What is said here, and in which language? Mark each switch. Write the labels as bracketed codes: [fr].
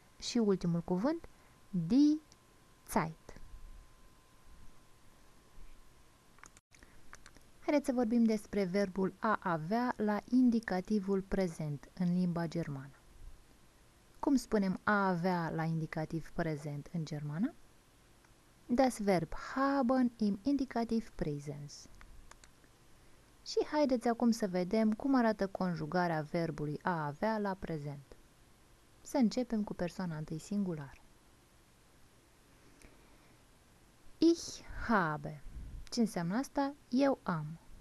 [ro] Și ultimul cuvânt, die Zeit. Haideți să vorbim despre verbul a avea la indicativul prezent în limba germană. Cum spunem a avea la indicativ prezent în germană? [de] Das Verb haben im indicativ präsens. [ro] Și haideți acum să vedem cum arată conjugarea verbului a avea la prezent. Să începem cu persoana întâi singular. [de] Ich habe. [ro] Ce înseamnă asta? Eu am.